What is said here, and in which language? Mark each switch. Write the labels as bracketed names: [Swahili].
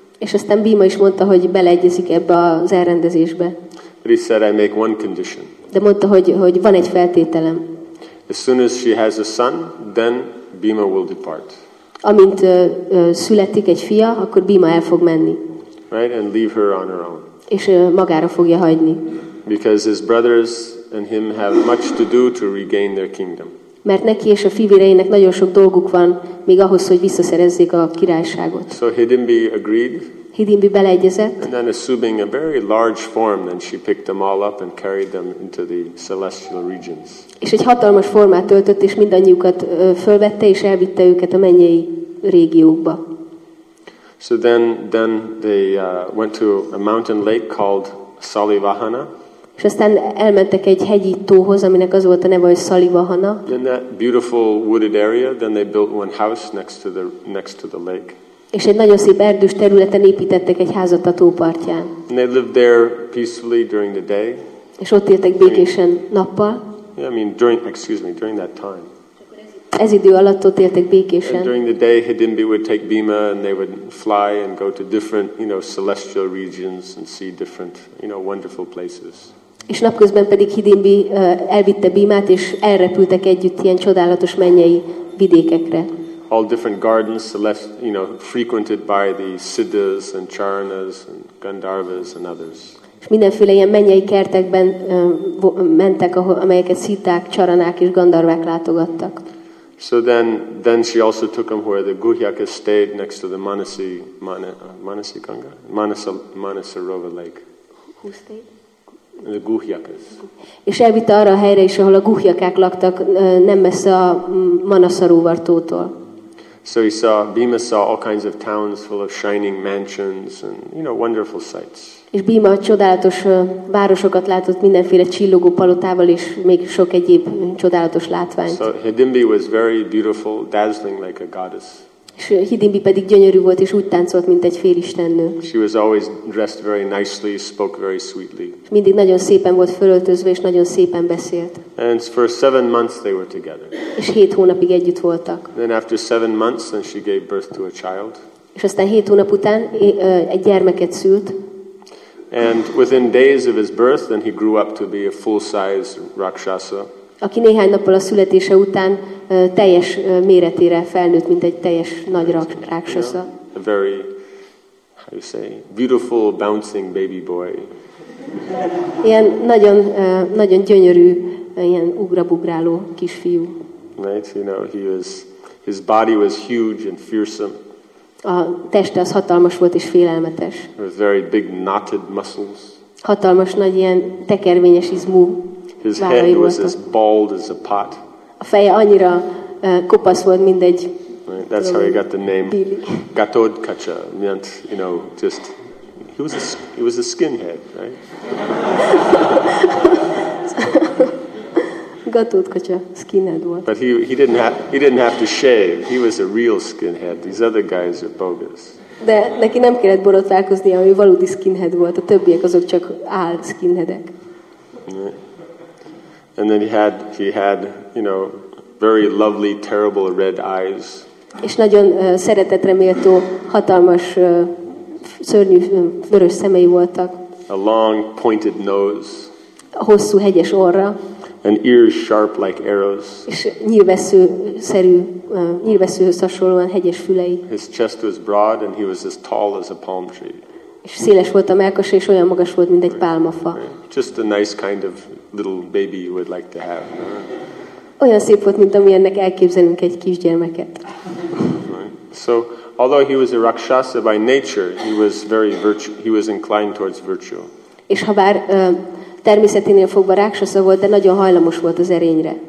[Hungarian] És aztán Bhima is mondta, hogy beleegyezik ebbe az elrendezésbe. [English] But he said, "I make one condition." [Hungarian] De mondta, hogy van egy feltételem. [English] As soon as she has a son, then Bhima will depart. [Hungarian] Amint születik egy fia, akkor Bhima el fog menni. [English] Right, and leave her on her own. [Hungarian] És magára fogja hagyni. [English] Because his brothers and him have much to do to regain their kingdom. [Hungarian] Mert neki és a fivéreinek nagyon sok dolguk van, még ahhoz, hogy visszaszerezzék a királyságot. [English] So Hidimbi agreed. [Hungarian] Hidimbi beleegyezett. [English] And then assuming a very large form, then she picked them all up and carried them into the celestial regions. [Hungarian] És egy hatalmas formát töltött, és mindannyiukat fölvette, és elvitte őket a mennyei régiókba. [English] So then they went to a mountain lake called Salivahana. [Hungarian] És aztán elmentek egy hegyi tóhoz, aminek az volt a neve, hogy Salivahana. [English] In that beautiful wooded area, then they built one house next to the lake. [Hungarian] És egy nagyon szép erdős területen építettek egy házat a tópartján. [English] And they lived there peacefully during the day. [Hungarian] És ott éltek békésen nappal. [English] During that time. [Hungarian] Ez idő alatt ott éltek békésen. [English] And during the day, Hidimbi would take Bhima and they would fly and go to different, celestial regions and see different, wonderful places. [Hungarian] És napközben pedig Hidimbi elvitte Bhimát és elrepültek együtt ilyen csodálatos mennyei vidékekre. [English] All different gardens, frequented by the Siddhas and Charanas and Gandharvas and others. [Hungarian] És mindenféle ilyen mennyei kertekben mentek, amelyeket Szitták, Charanák és Gandharvák látogattak. [English] So then she also took him where the Guhyaka stayed next to the Manasarovar Lake. Who stayed? The Guhyakas. [Hungarian] És elvitte arra a helyre is, ahol a Guhyakák laktak, nem messze a Manasarovar tótól. [English] So he saw, Bhima saw all kinds of towns full of shining mansions and, wonderful sights. [Hungarian] És Bhima csodálatos városokat látott mindenféle csillogó palotával és még sok egyéb csodálatos látványt. [English] So Hidimbi was very beautiful, dazzling like a goddess. [Hungarian] És Hidimbi pedig gyönyörű volt és úgy táncolt, mint egy félistennő. [English] She was always dressed very nicely, spoke very sweetly. [Hungarian] Mindig nagyon szépen volt fölöltözve és nagyon szépen beszélt. [English] And for 7 months they were together. [Hungarian] És 7 hónapig együtt voltak. [English] Then after 7 months, then she gave birth to a child. [Hungarian] És aztán 7 hónap után egy gyermeket szült. [English] And within days of his birth, then he grew up to be a full-size rakshasa. [Hungarian] Aki néhány nappal a születése után teljes méretére felnőtt, mint egy teljes nagy rakshasa. [English] A very, how you say, beautiful, bouncing baby boy. [Hungarian] Ilyen nagyon, nagyon gyönyörű, ilyen ugrabugráló kisfiú. [English] Right, you know, he was, his body was huge and fearsome. [Hungarian] A teste az hatalmas volt és félelmetes. [English] With very big knotted muscles. [Hungarian] Hatalmas nagy ilyen tekervényes izmú. [English] His head was as bald as a pot. [Hungarian] A feje annyira kopasz volt, mint egy. [English] Right, that's how he got the name Gatodkacsa. Meant, you know, just he was a skinhead, right? [Hungarian] Gatodkacsa, skinhead volt. [English] But he didn't have to shave. He was a real skinhead. These other guys are bogus. [Hungarian] De neki nem kellett borotválkoznia, ő valódi skinhead volt. A többiek azok csak áll skinheadek. [English] Right. And then he had, you know, very lovely, terrible red eyes. [Hungarian] És nagyon szeretetreméltó, hatalmas, szörnyű, vörös szemei voltak. [English] A long, pointed nose. [Hungarian] A hosszú, hegyes orra. [English] And ears sharp like arrows. [Hungarian] És nyílveszőhöz hasonlóan hegyes fülei. [English] His chest was broad, and he was as tall as a palm tree. [Hungarian] És széles volt a mellkasa, és olyan magas volt, mint egy pálmafa. [English] Just a nice kind of little baby you would like to have. [Hungarian] Olyan szép volt, mint amilyennek elképzelünk egy kisgyermeket. [English] So, although he was a rakshasa by nature, he was inclined towards virtue. [Hungarian] És habár természeténél fogva rakshasa volt, de nagyon hajlamos volt az erényre.